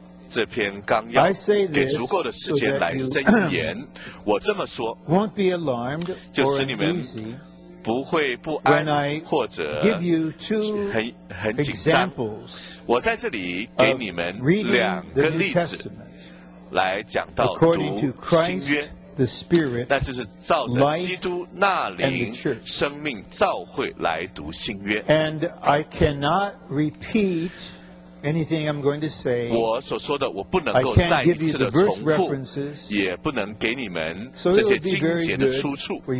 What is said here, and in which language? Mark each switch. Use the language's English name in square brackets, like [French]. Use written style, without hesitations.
[Chinese] 这篇纲要给足够的时间来伸言，我这么说就是你们不会不安或者很紧张。我在这里给你们两个例子来讲到读新约，那就是照着基督那灵生命召会来读新约。 [English] And I cannot repeat anything I'm going to say， [Chinese] 我所说的我不能够再一次的重复，也不能给你们这些经节的出处。